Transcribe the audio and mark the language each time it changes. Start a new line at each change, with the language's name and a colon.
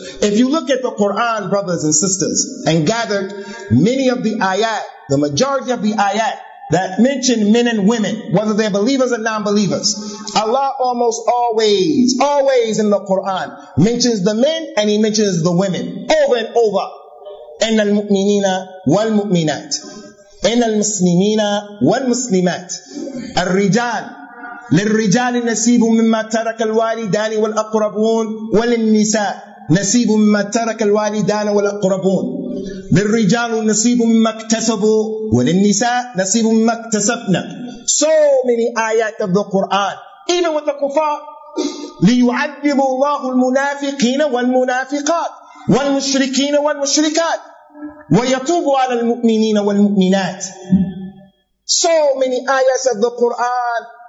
English: If you look at the Quran, brothers and sisters, and gathered many of the ayat, the majority of the ayat that mention men and women, whether they're believers or non-believers, Allah almost always, always in the Quran, mentions the men and He mentions the women over and over.
Arabic: إن المؤمنين والمؤمنات إن المسلمين والمسلمات الرجال للرجال نصيب مما ترك الوالدان والأقربون وللنساء نصيب مما ترك الوالدان والأقربون للرجال نصيب مما اكتسبوا وللنساء نصيب مما اكتسبنا.
English: So many ayat of the Quran, even with the kuffar,
Arabic: ليعذب الله المنافقين والمنافقات والمشركين والمشركات وَيَتُوبُ عَلَى الْمُؤْمِنِينَ وَالْمُؤْمِنَاتِ.
English: So many ayahs of the Quran.